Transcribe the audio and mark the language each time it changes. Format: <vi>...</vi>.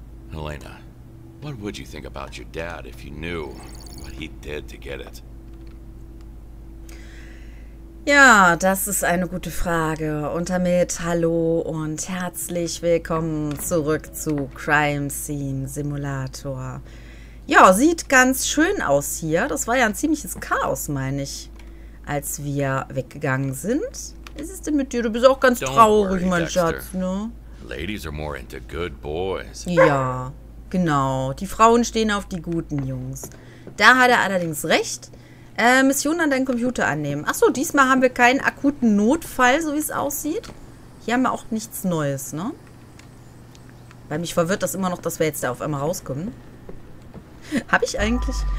<en>Helena, what would you think about your dad if you knew what he did to get it?</en> <de>Ja, das ist eine gute Frage. Und damit hallo und herzlich willkommen zurück zu Crime Scene Simulator. Ja, sieht ganz schön aus hier. Das war ja ein ziemliches Chaos, meine ich, als wir weggegangen sind. Was ist denn mit dir? Du bist auch ganz traurig, mein Schatz, ne?</de> <en>Ladies are more into good boys.</en> <de>Ja, genau. Die Frauen stehen auf die guten Jungs. Da hat er allerdings recht. Mission an deinen Computer annehmen. Achso, diesmal haben wir keinen akuten Notfall, so wie es aussieht. Hier haben wir auch nichts Neues, ne? Weil mich verwirrt das immer noch, dass wir jetzt da auf einmal rauskommen. Hab ich eigentlich?</de>